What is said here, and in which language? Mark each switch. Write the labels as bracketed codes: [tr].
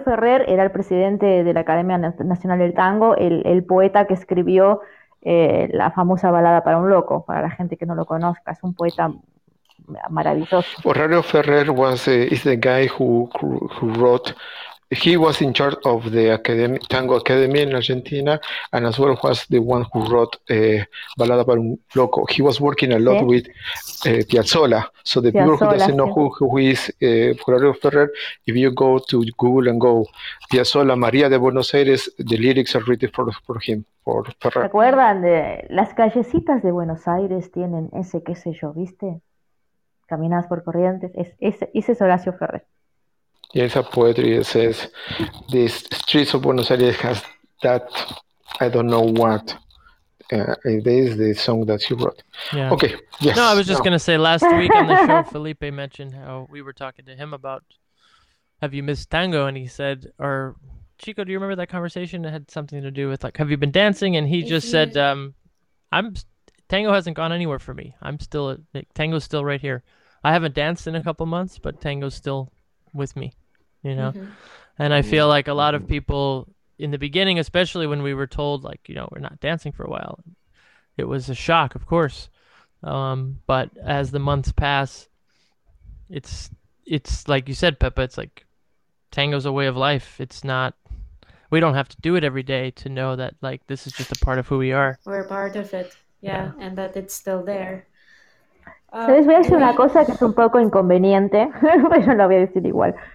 [es] Ferrer era el presidente de la Academia Nacional del Tango, el poeta que escribió la famosa balada para un loco, para la gente que no lo conozca, es un poeta maravilloso. [en] Horacio Ferrer is the guy who wrote. He was in charge of the academy, Tango Academy in Argentina, and as well was the one who wrote Balada para un Loco. He was working a lot with Piazzolla. So the Piazzolla, people who doesn't know who is Horacio Ferrer, if you go to Google and go Piazzolla, Maria de Buenos Aires, the lyrics are written for him, for Ferrer. [es] ¿Recuerdan de las callecitas de Buenos Aires tienen ese qué sé yo, viste? Caminadas por Corrientes. Ese es Horacio Ferrer. [en] Yes, a poetry that says the streets of Buenos Aires has that, I don't know what. It is the song that you wrote. Yeah. Okay. Yes. No, I was just going to say last week on the show, Felipe mentioned how we were talking to him about, have you missed tango? And he said, or Chico, do you remember that conversation? It had something to do with like, have you been dancing? And he just said, tango hasn't gone anywhere for me. I'm still, tango's still right here. I haven't danced in a couple months, but tango's still with me, you know. Mm-hmm. And I feel like a lot of people in the beginning, especially when we were told like, you know, we're not dancing for a while, it was a shock, of course, but as the months pass, it's like you said, Peppa, it's like tango's a way of life. It's not, we don't have to do it every day to know that like this is just a part of who we are. We're part of it. Yeah. And that it's still there. [es] ¿Sabes? Voy a decir una cosa que es un poco inconveniente, pero lo voy a decir igual.